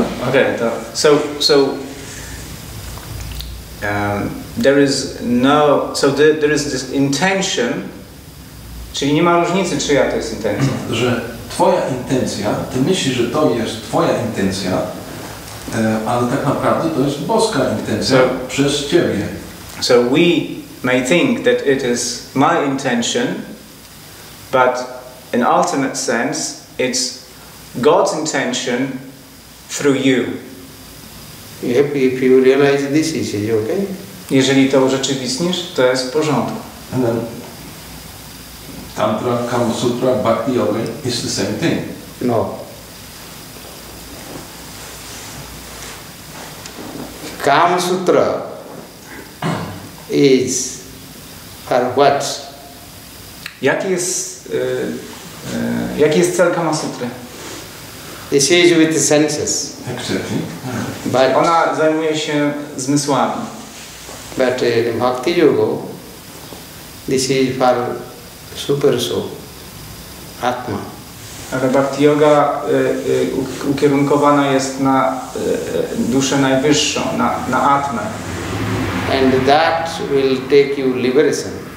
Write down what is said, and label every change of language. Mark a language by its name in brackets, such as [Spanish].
[English] Okay, so there is no, so there is this intention, [Polish] czyli nie ma różnicy, czyja to jest intencja. Że twoja intencja, ty myślisz, że to jest twoja intencja, Ale tak naprawdę to jest boska intencja przez ciebie. [English] So we may think that it is my intention, but in ultimate sense, it's God's intention through you. If you realize this, is it okay? [Polish] Jeżeli to urzeczywistnisz, to jest w porządku. [English] And then Tantra, Kama Sutra, Bhakti Yoga is the same thing. No. Kama Sutra is for what? [Polish] Jaki jest cel Kama Sutry? [English] It says with the senses. Exactly. [Polish] But ona zajmuje się zmysłami. [English] But in Bhakti Yoga, this is for super soul, Atma. [Polish] Ale Bhakti Yoga ukierunkowana jest na duszę najwyższą, na Atmę. [English] And that will take you liberation.